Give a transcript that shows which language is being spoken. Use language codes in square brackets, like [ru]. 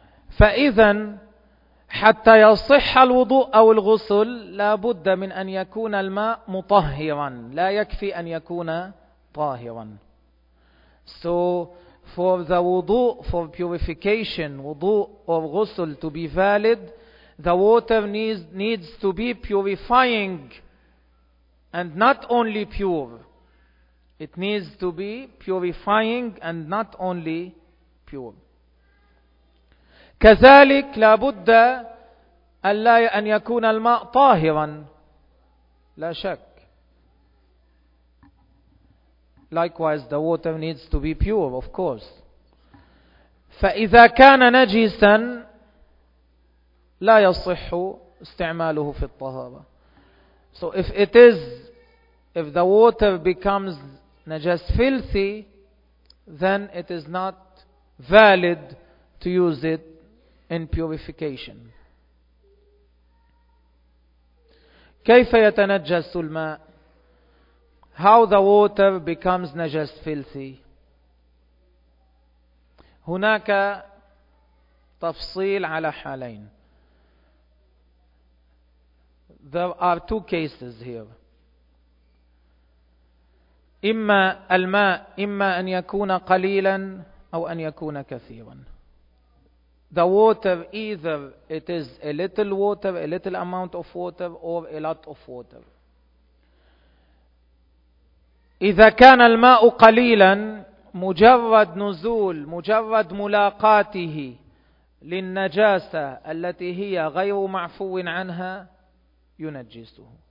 [ar] فإذا حتى يصح الوضوء أو الغسل لا بد من أن يكون الماء مطهرا، لا يكفي أن يكون طاهرا. [en] So for the wudu, for purification, wudu or ghusl to be valid, the water needs to be purifying and not only pure. It needs to be purifying and not only pure. [ar] كذلك لا بد أن يكون الماء طاهرا، لا شك. [en] Likewise, the water needs to be pure, of course. [ar] فإذا كان نجسا لا يصح استعماله في الطهارة. [en] So if the water becomes najas filthy, then it is not valid to use it in purification. [ar] كيف يتنجس الماء؟ [en] How the water becomes najas filthy. [ar] هناك تفصيل على حالين. [en] There are two cases here. [ar] إما الماء إما أن يكون قليلا أو أن يكون كثيرا. [en] The water, either it is a little water, a little amount of water, or a lot of water. [ar] إذا كان الماء قليلا مجرد نزول مجرد ملاقاته للنجاسة التي هي غير معفو عنها ينجسه.